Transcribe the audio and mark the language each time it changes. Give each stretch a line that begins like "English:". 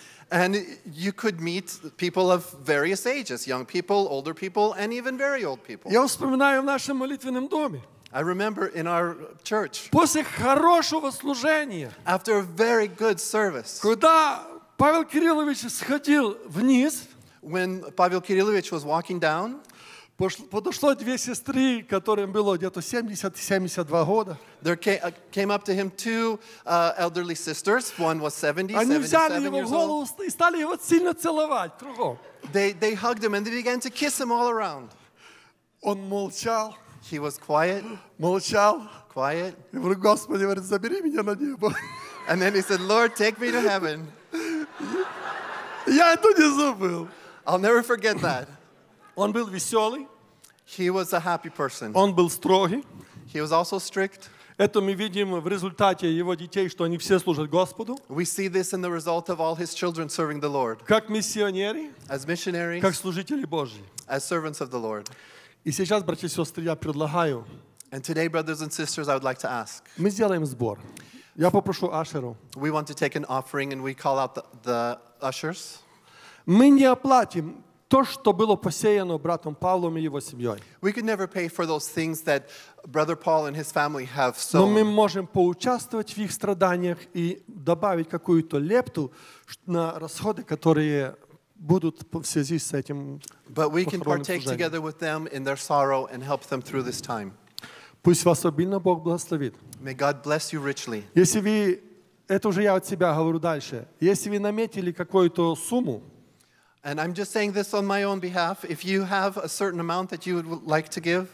English: And you could meet people of various ages, young people, older people, and even very old people.
Russian: Я вспоминаю в нашем молитвенном доме.
English: I remember in our church.
Russian: После хорошего служения.
English: After a very good service.
Russian: Куда Павел Кириллович сходил вниз.
English: When Pavel Kirillovich was walking down.
Russian: Подошло две сестры, которым было где-то 70-72 года.
English: There came up to him two elderly sisters. One was 70, 77 years old.
Russian: Они взяли его голову и стали его сильно целовать кругом.
English: They hugged him and they began to kiss him all around.
Russian: Он молчал.
English: He was quiet.
Russian: Молчал.
English: Quiet.
Russian: И говорит, Господи, говорит, забери меня на небо.
English: And then he said, Lord, take me to heaven.
Russian: Я это не забыл.
English: I'll never forget that.
Russian: Он был веселый.
English: He was a happy person.
Russian: Он был строгий.
English: He was also strict.
Russian: Это мы видим в результате его детей, что они все служат Господу.
English: We see this in the result of all his children serving the Lord.
Russian: Как миссионеры.
English: As missionaries.
Russian: Как служители Божьи.
English: As servants of the Lord.
Russian: И сейчас, братья и сестры, я предлагаю.
English: And today, brothers and sisters, I would like to ask.
Russian: Мы сделаем сбор. Я попрошу ашеру.
English: We want to take an offering and we call out the ushers.
Russian: Мы не оплатим то, что было посеяно братом Павлом и его семьей.
English: We could never pay for those things that Brother Paul and his family have sown.
Russian: Но мы можем поучаствовать в их страданиях и добавить какую-то лепту на расходы, которые будут в связи с этим.
English: But we can partake together with them in their sorrow and help them through this time.
Russian: Пусть вас обильно Бог благословит.
English: May God bless you richly.
Russian: Если вы, это уже я от себя говорю дальше, если вы наметили какую-то сумму.
English: And I'm just saying this on my own behalf. If you have a certain amount that you would like to give,